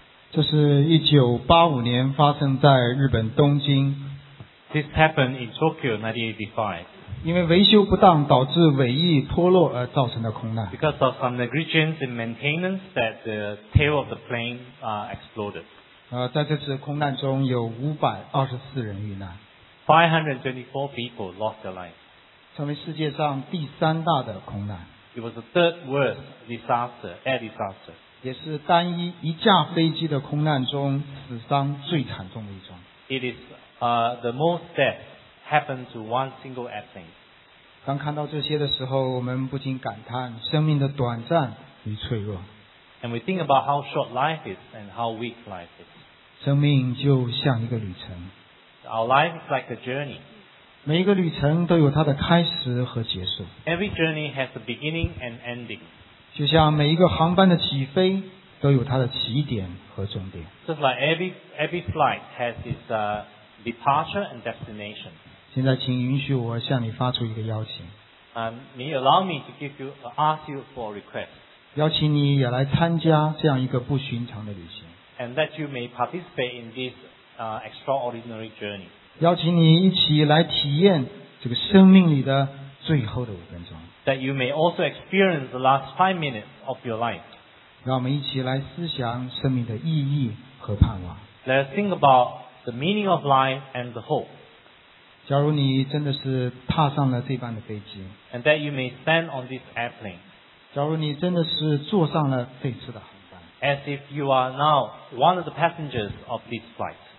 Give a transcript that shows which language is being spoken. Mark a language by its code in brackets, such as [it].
[zh] 这是1985年发生在日本东京。 [en] This happened in Tokyo 1985. [zh] 因为维修不当导致尾翼脱落而造成的空难。 [en] Because of some negligence in maintenance that the tail of the plane exploded. [zh] 在这次空难中有524人遇难。 [en] 524 people lost their lives. [zh] 成为世界上第三大的空难。 [en] It was the third worst disaster, air disaster. [zh] 也是单一一架飞机的空难中死伤最惨重的一种。 [en] It is the most death happened to one single airplane. [zh] 当看到这些的时候，我们不禁感叹生命的短暂与脆弱。 [en] And we think about how short life is and how weak life is. [zh] 生命就像一个旅程。 [en] Our life is like a journey. [zh] 每一个旅程都有它的开始和结束。 [en] Every journey has a beginning and ending. [zh] 就像每一个航班的起飞都有它的起点和终点。 [en] Just like every flight has its departure and destination. [zh] 现在请允许我向你发出一个邀请。 [en] May you allow me to ask you for a request. [zh] 邀请你也来参加这样一个不寻常的旅行。 [en] And that you may participate in this extraordinary journey. [zh] 邀请你一起来体验这个生命里的最后的五分钟。 [en] That you may also experience the last 5 minutes of your life. [zh] 让我们一起来思想生命的意义和盼望。 [en] Let us think about the meaning of life and the hope. [zh] 假如你真的是踏上了这班的飞机。 [en] And that you may stand on this airplane. [zh] 假如你真的是坐上了这次的航班。 [en] As if you are now one of the passengers of this flight.